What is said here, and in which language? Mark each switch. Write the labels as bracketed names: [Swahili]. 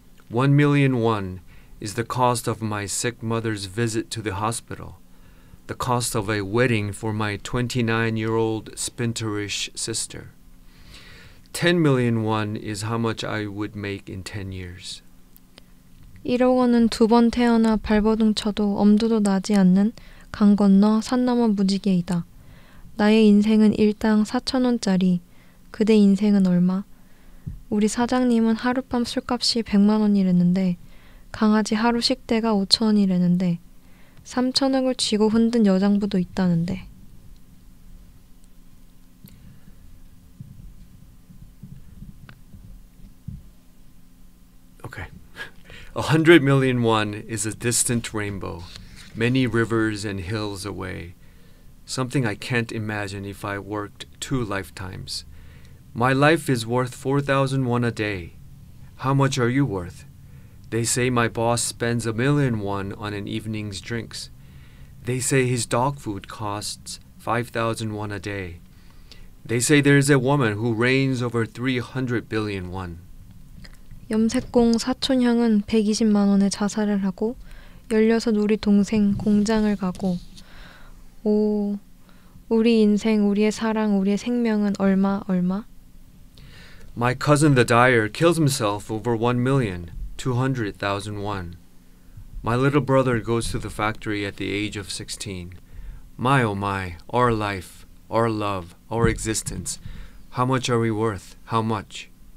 [English] 1,000,000 won is the cost of my sick mother's visit to the hospital, the cost of a wedding for my 29-year-old spinterish sister. 10,000,000 won is how much I would make in 10 years. [Korean] 1억 원은 두 번 태어나 발버둥 쳐도 엄두도 나지 않는 강 건너 산 넘어 무지개이다. 나의 인생은 일당 4천 원짜리. 그대 인생은 얼마? 우리 사장님은 하룻밤 술값이 100만 원이랬는데 강아지 하루 식대가 5천 원이랬는데 3천억을 쥐고 흔든 여장부도 있다는데. [English] Okay. 100,000,000 won is a distant rainbow, many rivers and hills away. Something I can't imagine if I worked two lifetimes. My life is worth 4,000 won a day. How much are you worth? They say my boss spends 1,000,000 won on an evening's drinks. They say his dog food costs 5,000 won a day. They say there is a woman who reigns over 300,000,000,000 won. [Korean] 염색공 사촌형은 120만 원에 자살을 하고 16 우리 동생 공장을 가고 오 우리 인생 우리의 사랑 우리의 생명은 얼마 얼마? [English] My cousin the dyer kills himself over 1,200,000 won. My little brother goes to the factory at the age of 16. My oh my, our life, our love, our existence. How much are we worth? How much?